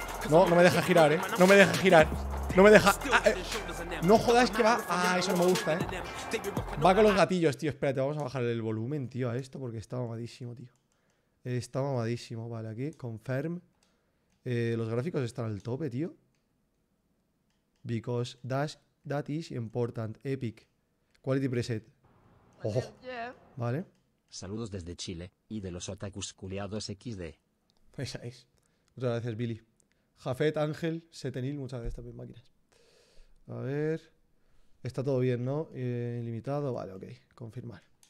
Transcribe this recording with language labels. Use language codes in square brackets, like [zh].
[es] No, no me deja girar, No me deja girar. No me deja. Ah, no jodas que va. Ah, eso no me gusta, Va con los gatillos, tío. Espérate, vamos a bajar el volumen, tío, a esto porque está mamadísimo, tío. Está mamadísimo. Vale, aquí. Confirm. Los gráficos están al tope, tío. [en] Because that is important. Epic. Quality preset. Ojo. Oh. Vale. [es] Saludos desde Chile y de los otakus culiados XD. Esa es. Muchas gracias, Billy. Jafet, Ángel, Setenil, muchas gracias también, máquinas. A ver. Está todo bien, ¿no? Ilimitado, vale, ok. Confirmar.